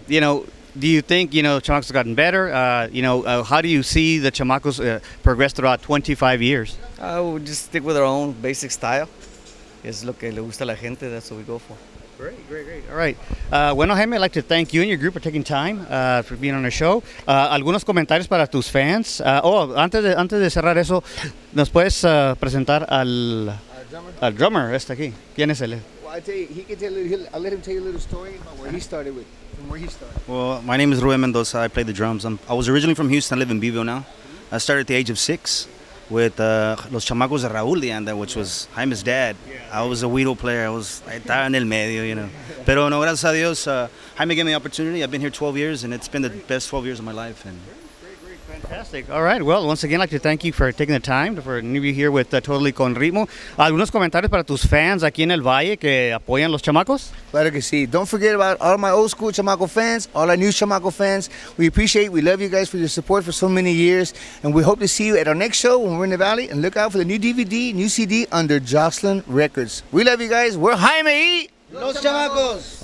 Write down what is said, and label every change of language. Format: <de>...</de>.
<en>You know, do you think, you know, Chamacos have gotten better? How do you see the Chamacos progress throughout 25 years? I would just stick with our own basic style.</en> <es>Es lo que le gusta a la gente,</es> <en>that's what we go for. Great. All right. Bueno, Jaime, I'd like to thank you and your group for taking time for being on the show.</en> <es>Algunos comentarios para tus fans. Antes de cerrar eso, ¿nos puedes presentar al drummer? Este aquí. ¿Quién es él?</es> <en>Well, I'll let him tell you a little story about where he started with, from where he started. Well, my name is Rubén Mendoza. I play the drums. I was originally from Houston. I live in Beeville now. Mm-hmm. I started at the age of 6 with Los Chamacos de Raúl de Anda, which was Jaime's dad. Yeah. I was a weedle player. I was</en> <es>en el medio,</es> <en>you know.</en> <es>Pero no, gracias a Dios,</es> <en>Jaime gave me the opportunity. I've been here 12 years, and it's been the best 12 years of my life. And fantastic. All right. Well, once again, I'd like to thank you for taking the time for new you here with Totally Con Ritmo.</en> <es>Algunos comentarios para tus fans aquí en el Valle que apoyan los chamacos? Claro que sí.</es> <en>Don't forget about all my old school chamaco fans, all our new chamaco fans. We appreciate, we love you guys for your support for so many years. And we hope to see you at our next show when we're in the Valley. And look out for the new DVD, new CD under Jocelyn Records. We love you guys. We're Jaime E. Los Chamacos.</en>